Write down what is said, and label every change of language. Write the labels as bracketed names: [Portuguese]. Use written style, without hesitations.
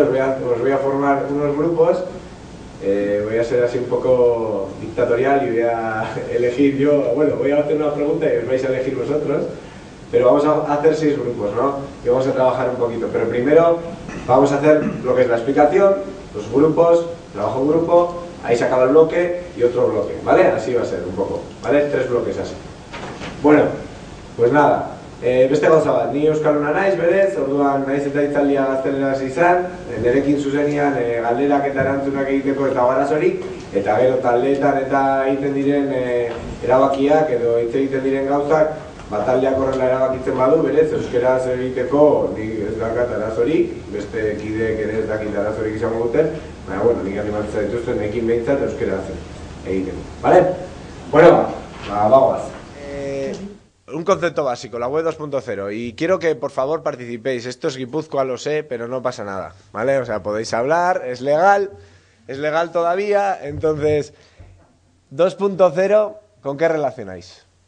[Spanish] Os voy a formar unos grupos, voy a ser así un poco dictatorial y voy a elegir yo, bueno, voy a hacer una pregunta y os vais a elegir vosotros, pero vamos a hacer seis grupos, ¿no? Y vamos a trabajar un poquito, pero primero vamos a hacer lo que es la explicación, los grupos, trabajo en grupo, ahí se acaba el bloque y otro bloque, ¿vale? Así va a ser un poco, ¿vale? Tres bloques así. Bueno, pues nada, [Basque] beste gauza bat, ni euskalduna naiz, berez, orduan naiz eta itzaldia gazteleraz izan, nerekin zuzenian galderak eta erantzunak egiteko eta garazorik, eta gero taldeetan eta egiten diren erabakiak edo hitz egiten diren gauzak, bataldeak horrela erabakitzen badu, berez, euskeraz egiteko ni ez dakat arazorik, beste kideek ere ez dakit arazorik izango duten, baina, bueno, nik animatzen dituzten, nekin behintzat euskeraz egiten. Bale? Bueno, bagoaz. [Spanish] Un concepto básico, la web 2.0, y quiero que por favor participéis. Esto es Guipúzcoa, lo sé, pero no pasa nada, ¿vale? O sea, podéis hablar, es legal todavía, entonces, 2.0, ¿con qué relacionáis?